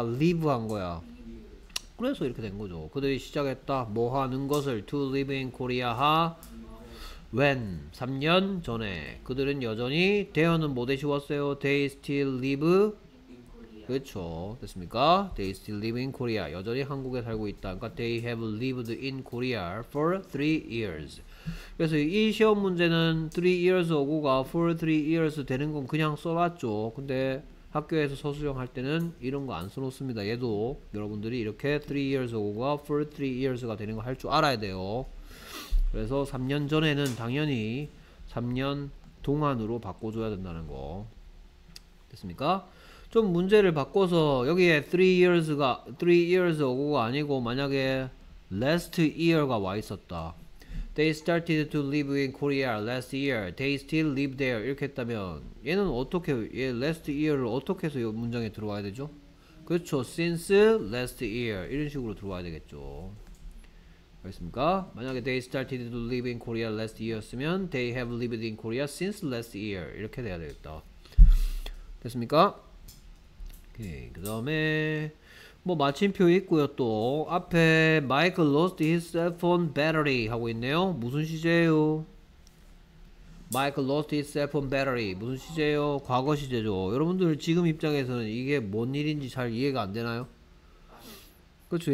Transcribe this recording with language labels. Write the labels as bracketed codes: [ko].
[ko] live 한 거야? 그래서 이렇게 된 거죠. 그들이 시작했다. 뭐 하는 것을 [en] to live in Korea [ko] 하 when 3년 전에 그들은 여전히 대어는 못 해쉬웠어요. [en] They still live in Korea. [ko] 그렇죠. 됐습니까? [en] They still live in Korea. [ko] 여전히 한국에 살고 있다. 그러니까 [en] they have lived in Korea for 3 years. [ko] 그래서 이 시험 문제는 3 years ago가 for 3 years 되는 건 그냥 써놨죠. 근데 학교에서 서술형할 때는 이런 거 안 써놓습니다. 얘도 여러분들이 이렇게 3 years ago가 for 3 years가 되는 거 할 줄 알아야 돼요. 그래서 3년 전에는 당연히 3년 동안으로 바꿔줘야 된다는 거. 됐습니까? 좀 문제를 바꿔서 여기에 3 years ago가 아니고 만약에 last year가 와 있었다. [en] They started to live in Korea last year. They still live there. [ko] 이렇게 했다면 얘는 어떻게 얘 last year를 어떻게 해서 이 문장에 들어와야 되죠? 그렇죠. [en] Since last year [ko] 이런 식으로 들어와야 되겠죠. 알겠습니까? 만약에 [en] they started to live in Korea last year였으면 they have lived in Korea since last year [ko] 이렇게 돼야 되겠다. 됐습니까? 오케이. 그다음에 뭐 마침표 있고요. 또 앞에 [en] Michael lost his cell phone battery [ko] 하고 있네요. 무슨 시제예요? [en] Michael lost his cell phone battery 무슨 시제예요? [ko] 과거 시제죠. 여러분들 지금 입장에서는 이게 뭔 일인지 잘 이해가 안 되나요? 그렇죠.